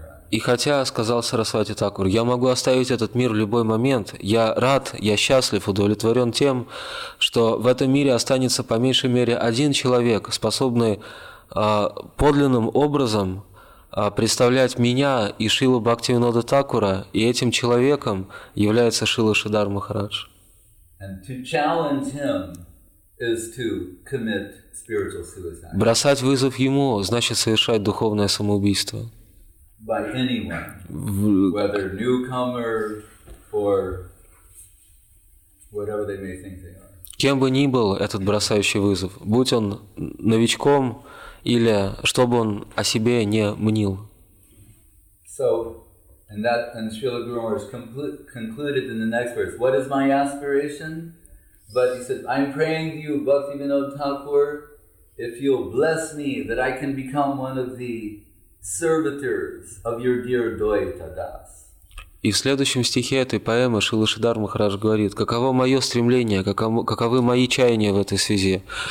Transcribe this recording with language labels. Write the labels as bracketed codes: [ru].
[ru] И хотя, сказал Сарасвати Такур, я могу оставить этот мир в любой момент, я рад, я счастлив, удовлетворен тем, что в этом мире останется по меньшей мере один человек, способный подлинным образом представлять меня и Шрилу Бхактивинода Такура, и этим человеком является Шрила Шридхар Махарадж. [en] And to challenge him is to commit spiritual suicide. [ru] Бросать вызов ему значит совершать духовное самоубийство. [en] By anyone, whether newcomer or whatever they may think they are. [ru] Кем бы ни был этот бросающий вызов, будь он новичком или что бы он о себе не мнил. [en] So, and Srila Guru Maharaj concluded in the next verse, what is my aspiration? But he said, I'm praying to you, Bhakti Vinod Thakur, if you'll bless me that I can become one of the servitors of your dear Dvaita Das. [ru] И в следующем стихе этой поэмы Шрила Шридхар Махарадж говорит, каково мое стремление, каковы мои чаяния в этой связи.